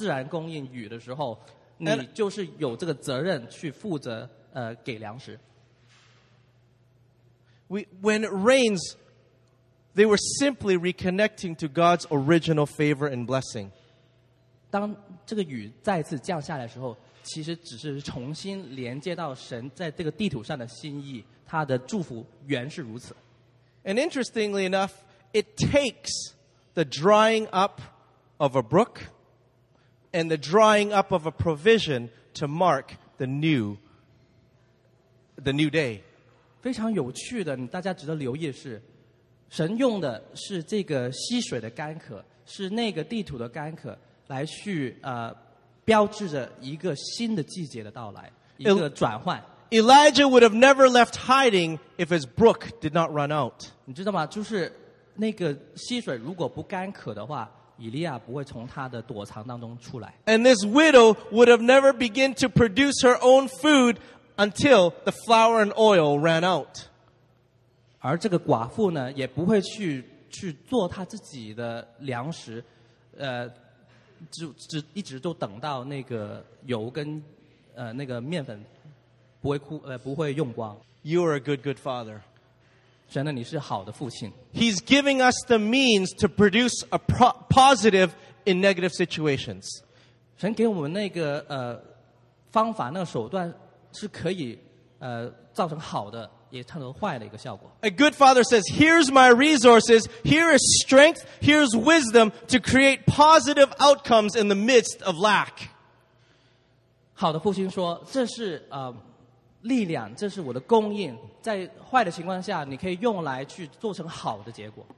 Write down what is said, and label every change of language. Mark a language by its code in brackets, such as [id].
[zh] 当这个地土得到它需要的自然供应雨的时候, 你就是有这个责任去负责, 给粮食。 [en] When it rains, they were simply reconnecting to God's original favor and blessing. [zh] 当这个雨再次降下来的时候, 其实只是重新连接到神在这个地土上的心意, 祂的祝福原是如此。 [en] And interestingly enough, it takes the drying up of a brook and the drying up of a provision to mark the new day. [zh] 非常有趣的, 大家值得留意的是, 神用的是这个溪水的干渴, 是那个地土的干渴, 来去, 标志着一个新的季节的到来, 一个转换。 [en] Elijah would have never left hiding if his brook did not run out. [zh] 你知道吗? 就是, 那个溪水如果不干渴的话，以利亚不会从他的躲藏当中出来。 [en] And this widow would have never begun to produce her own food until the flour and oil ran out. [zh] 而这个寡妇呢，也不会去做她自己的粮食，只一直都等到那个油跟那个面粉不会用光。 [en] You are a good father. [zh] 神呢，你是好的父亲。 [en] He's giving us the means to produce a positive in negative situations. [zh] 神给我们那个方法那个手段是可以造成好的，也造成坏的一个效果。 [en] A good father says, "Here's my resources. Here is strength. Here's wisdom to create positive outcomes in the midst of lack." [zh] 好的父亲说，这是力量，这是我的供应，在坏的情况下，你可以用来去做成好的结果。